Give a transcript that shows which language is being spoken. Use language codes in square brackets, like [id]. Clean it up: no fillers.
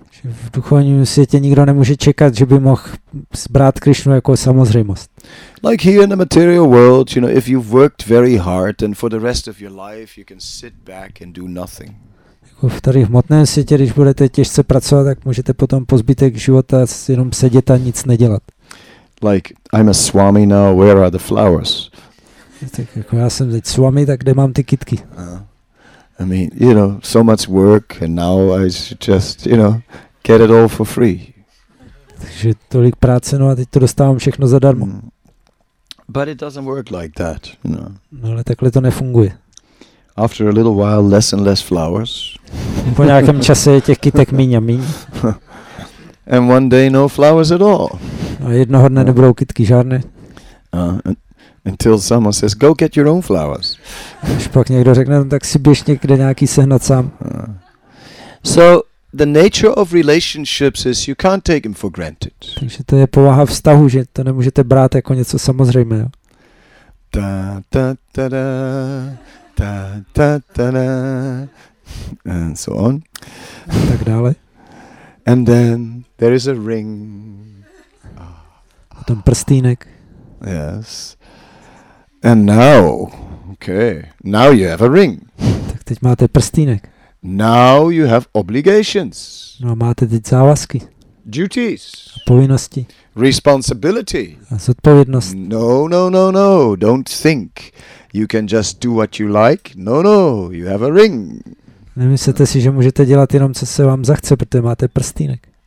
[cs] V duchovním světě nikdo nemůže čekat, že by mohl brát Krishnu jako samozřejmost. [en] Like here in the material world, you know, if you've worked very hard and for the rest of your life you can sit back and do nothing. [cs] Jako v tady hmotném světě, když budete těžce pracovat, tak můžete potom po zbytek života jenom sedět a nic nedělat. [en] Like I'm a swami now, where are the flowers? [cs] Tak jako já jsem teď swami, tak kde mám ty kytky? [en] I mean, you know, so much work and now I just, you know, get it all for free. [cs] Takže tolik práce, no a teď to dostávám všechno zadarmo. [en] But it doesn't work like that, you know. [cs] No, ale takhle to nefunguje. [en] After a little while, less and less flowers. [cs] Po nějakém čase je těch kytek míň a míň. [en] And one day no flowers at all. [cs] A jednoho dne nebudou kytky žádné. [en] Until someone says, go get your own flowers. [cs] Až pak někdo řekne, tak si běž někde nějaký sehnat sám. [en] So the nature of relationships is you can't take them for granted. [cs] Takže to je povaha vztahu, že to nemůžete brát jako něco samozřejmého. [en] Ta ta ta da, ta ta ta da, and so on. [cs] A tak dále. [en] And then there is a ring. [cs] A ten prstýnek. [en] Yes. And now, okay, now you have a ring. [cs] Tak teď máte prstýnek. [en] Now you have obligations. [cs] No a máte teď závazky. [en] Duties. [cs] A povinnosti. [en] Responsibility. [cs] A zodpovědnost. [en] No, no, no, no, don't think you can just do what you like. No, no, you have a ring. [cs] Nemyslete si, že můžete dělat jenom, co se vám zachce, protože máte prstýnek.